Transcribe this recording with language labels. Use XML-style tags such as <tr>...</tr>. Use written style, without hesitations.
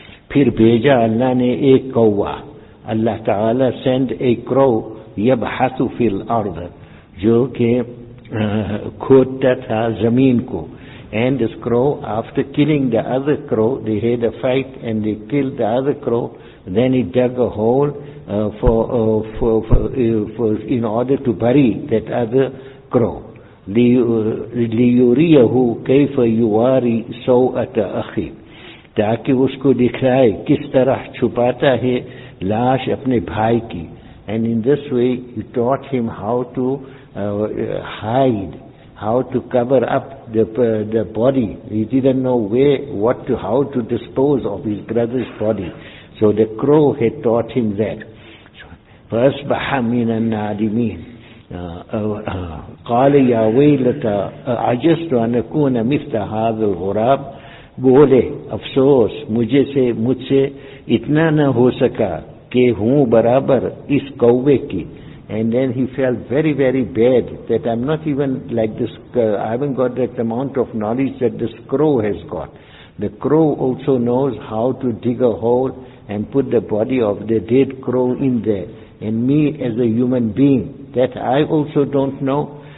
<ur>Phir bheja Allah ne ek kawwa.</ur> <en>Allah Ta'ala send a crow,</en> <ar>يَبْحَثُ فِي الْأَرْضِ,</ar> <ur>جو کہ khodta tha zameen ko.</ur> <en>And this crow, after killing the other crow, they had a fight and they killed the other crow. Then he dug a hole in order to bury that other crow.</en> <ar>لِيُرِيَهُ كَيْفَ يُوَارِي سَوْءَةَ أَخِي,</ar> <ur>تاکہ اس کو دکھائے کس طرح چھپاتا ہے لاش اپنے بھائی کی.</ur> <en>And in this way he taught him how to hide, how to cover up the body. He didn't know where, what to, how to dispose of his brother's body. So the crow had taught him that.</en> <ar>فَأَصْبَحَ مِنَ النَّادِمِينَ قَالَ يَا وَيْلَتَ أَعَجَزْتُ أَنْ أَكُونَ مِثْلَ هَذَا الْغُرَابِ,</ar> <ur>بولے افسوس مجھ سے اتنا نہ ہو سکا کہ ہوں برابر اس کوے کی.</ur> <en>And then he felt very, very bad that I'm not even like this, I haven't got that amount of knowledge that this crow has got. The crow also knows how to dig a hole and put the body of the dead crow in there. And me as a human being, that I also don't know.</en>